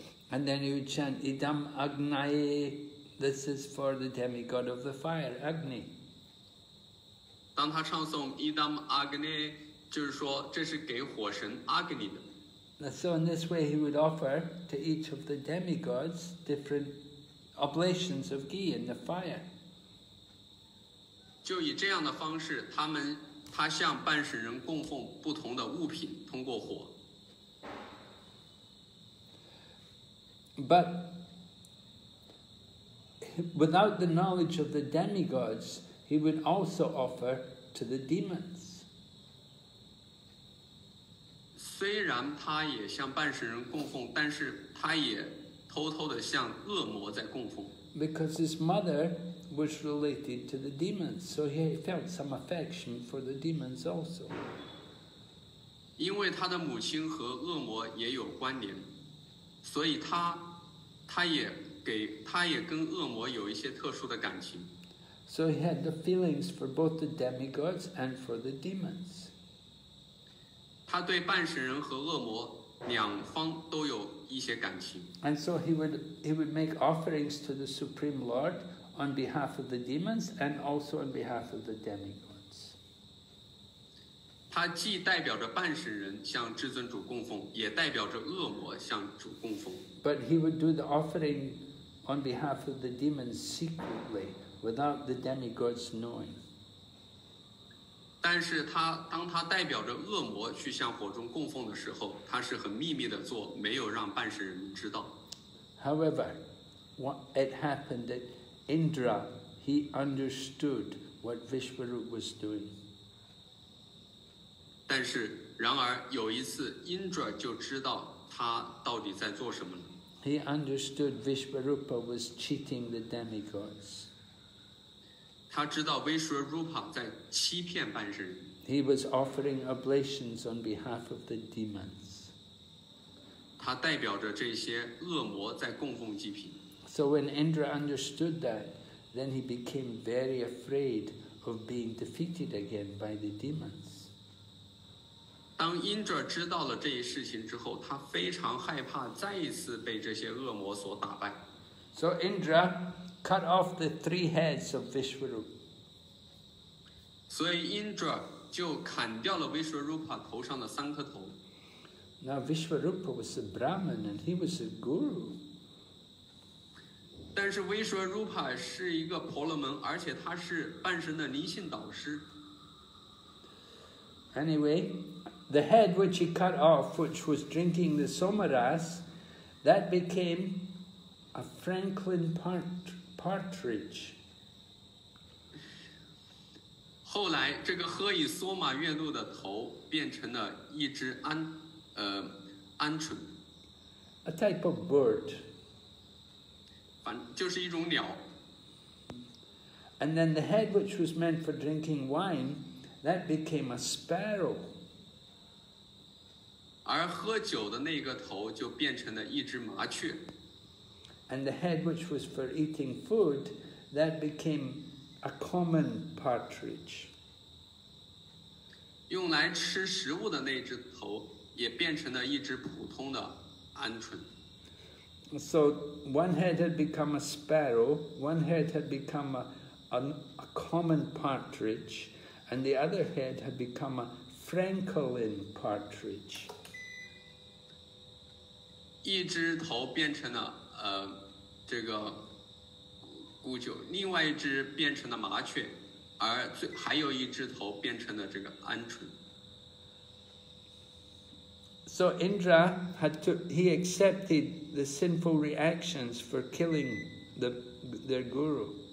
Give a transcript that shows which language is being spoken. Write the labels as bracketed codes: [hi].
[en] And then you chant Idam Agnaye, this is for the demigod of the fire, Agni. [zh] 当他唱诵 Idam Agnaye, 就是说这是给火神 Agni 的。 [en] So in this way he would offer to each of the demigods different oblations of ghee in the fire. [zh] 就以这样的方式，他向半神人供奉不同的物品，通过火。 [en] But without the knowledge of the demigods, he would also offer to the demons. [zh] 虽然他也向半神人供奉，但是他也偷偷地向恶魔在供奉。 [en] Because his mother was related to the demons, so he felt some affection for the demons also. [zh] 因为他的母亲和恶魔也有关联，所以他也跟恶魔有一些特殊的感情。 [en] So he had the feelings for both the demigods and for the demons. [zh] 他对半神人和恶魔两方都有一些感情。 [en] And so he would make offerings to the Supreme Lord on behalf of the demons and also on behalf of the demigods. [zh] 他既代表着半神人向至尊主供奉，也代表着恶魔向主供奉。 [en] But he would do the offering on behalf of the demons secretly, without the demigods knowing. [zh] 但是他当他代表着恶魔去向火中供奉的时候，他是很秘密的做，没有让半世人知道。 [en] However, what it happened that Indra he understood what Vishwaroop was doing. [zh] 但是然而有一次 ，Indra 就知道他到底在做什么了。 [en] He understood Vishwaroopa was cheating the demigods. [zh] 他知道 Vishwaroopa 在欺骗半神。 [en] He was offering oblations on behalf of the demons. [zh] 他代表着这些恶魔在供奉祭品。 [en] So when Indra understood that, then he became very afraid of being defeated again by the demons. [zh] 当 Indra 知道了这一事情之后，他非常害怕再一次被这些恶魔所打败。 [en] So Indra cut off the three heads of Vishwaroop. [zh] 所以 Indra 就砍掉了 Vishwaroopa 头上的三颗头。 [en] Now Vishwaroopa was a Brahmin and he was a guru. [zh] 但是 Vishwaroopa 是一个婆罗门，而且他是半神的灵性导师。 [en] Anyway, the head which he cut off, which was drinking the somaras, that became a Franklin partridge. [zh] 后来，这个喝以索玛月露的头变成了一只鹌鹑。 [en] A type of bird. [zh] 反就是一种鸟。 [en] And then the head which was meant for drinking wine. That became a sparrow. [zh] 而喝酒的那个头就变成了一只麻雀。 [en] And the head which was for eating food, that became a common partridge. [zh] 用来吃食物的那只头也变成了一只普通的鹌鹑。 [en] So one head had become a sparrow, one head had become a common partridge. And the other head had become a Franklin partridge. [zh] 一只头变成了这个孤鹫，另外一只变成了麻雀，而最还有一只头变成了这个鹌鹑。 [en] So Indra had to he accepted the sinful reactions for killing their guru.